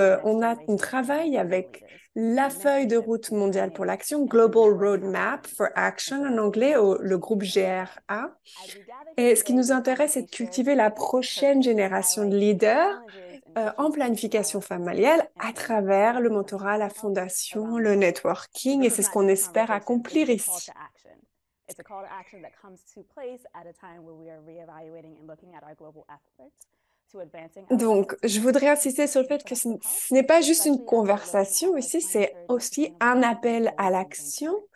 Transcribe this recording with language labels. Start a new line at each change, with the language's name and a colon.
French: On travaille avec la feuille de route mondiale pour l'action, Global Roadmap for Action en anglais, le groupe GRA. Et ce qui nous intéresse, c'est de cultiver la prochaine génération de leaders en planification familiale à travers le mentorat, la fondation, le networking, et c'est ce qu'on espère accomplir ici.
English: It's a call to action that comes to place at a time where we are reevaluating and looking at our global efforts.
French: Donc, je voudrais insister sur le fait que ce n'est pas juste une conversation ici, c'est aussi un appel à l'action.